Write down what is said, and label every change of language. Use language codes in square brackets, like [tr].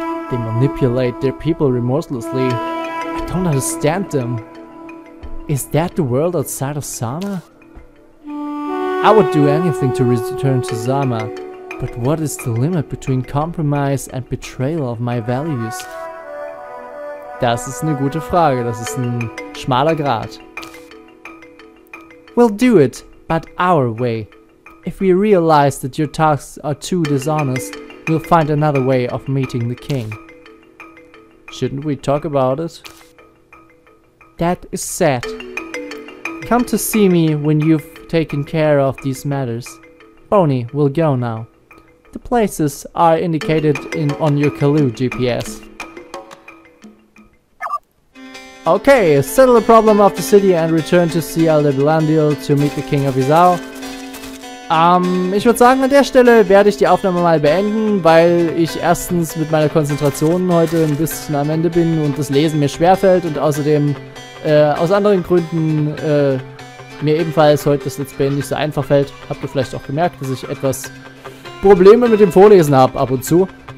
[en] They manipulate their people remorselessly. I don't understand them. Is that the world outside of Sama? I would do anything to return to Sama, but what is the limit between compromise and betrayal of my values? [de] Das ist eine gute Frage, das ist ein schmaler Grat. [en] We'll do it, but our way. If we realize that your tasks are too dishonest, we'll find another way of meeting the king. Shouldn't we talk about it? That is sad. Come to see me when you've taken care of these matters. Boni will go now. The places are indicated on your Kalu GPS. Okay, settle the problem of the city and return to see Aldebilandil to meet the king of Izao. [de] Ich würde sagen, an der Stelle werde ich die Aufnahme mal beenden, weil ich erstens mit meiner Konzentration heute ein bisschen am Ende bin und das Lesen mir schwerfällt und außerdem aus anderen Gründen mir ebenfalls heute das Let's Play nicht so einfach fällt. Habt ihr vielleicht auch gemerkt, dass ich etwas Probleme mit dem Vorlesen habe ab und zu.